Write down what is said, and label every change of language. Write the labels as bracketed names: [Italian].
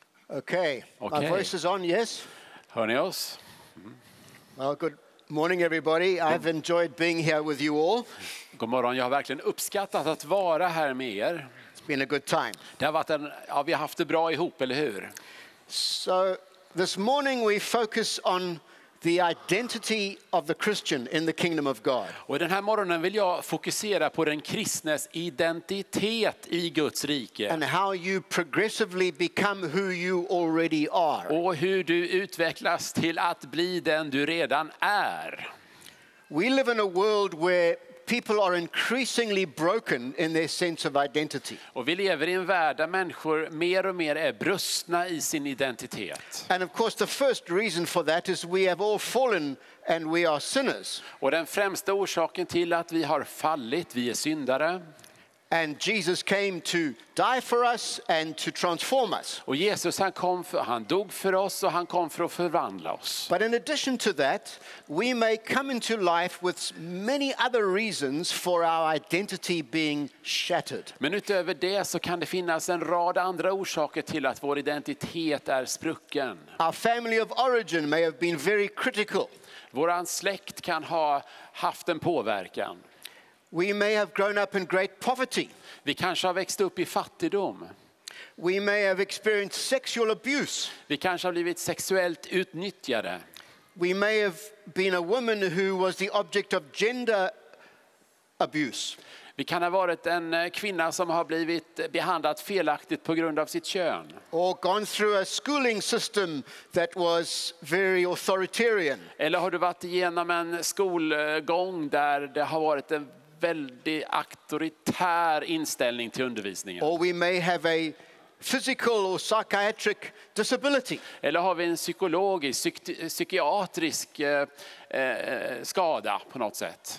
[English] Okay. My voice is on, yes? [Swedish] Hör ni oss? [English] Well, good morning everybody. I've enjoyed being here with you all. [Swedish] God morgon. Jag har verkligen uppskattat att vara här med er. [English] It's been a good time. [Swedish] Det har varit en, ja, vi har haft det bra ihop, eller hur? [English] So, this morning we focus on the identity of the Christian in the kingdom of God. [Swedish] Och den här morgonen vill jag fokusera på den kristnes identitet i Guds rike. [English] And how you progressively become who you already are. [Swedish] Och hur du utvecklas till att bli den du redan är. [English] We live in a world where people are increasingly broken in their sense of identity. [Swedish] Och vi lever i en värld där människor mer och mer är brustna i sin identitet. [English] And of course the first reason for that is we have all fallen and we are sinners. [Swedish] Och den främsta orsaken till att vi har fallit, vi är syndare. [English] And Jesus came to die for us and to transform us. [Swedish] Och Jesus han dog för oss och han kom för att förvandla oss. [English] But in addition to that, we may come into life with many other reasons for our identity being shattered. [Swedish] Men utöver det så kan det finnas en rad andra orsaker till att vår identitet är sprucken. [English] Our family of origin may have been very critical. [Swedish] Vår släkt kan ha haft en påverkan. [English] We may have grown up in great poverty. [Swedish] Vi kanske har växt upp i fattigdom. [English] We may have experienced sexual abuse. [Swedish] Vi kanske har blivit sexuellt utnyttjade. [English] We may have been a woman who was the object of gender abuse. [Swedish] Vi kan ha varit en kvinna som har blivit behandlad felaktigt på grund av sitt kön. [English] Or gone through a schooling system that was very authoritarian. [Swedish] Eller har du varit igenom en skolgång där det har varit en väldigt auktoritär inställning till undervisningen. [English] Or we may have a physical or psychiatric disability. [Swedish] Eller har vi en psykologisk, psykiatrisk skada på något sätt.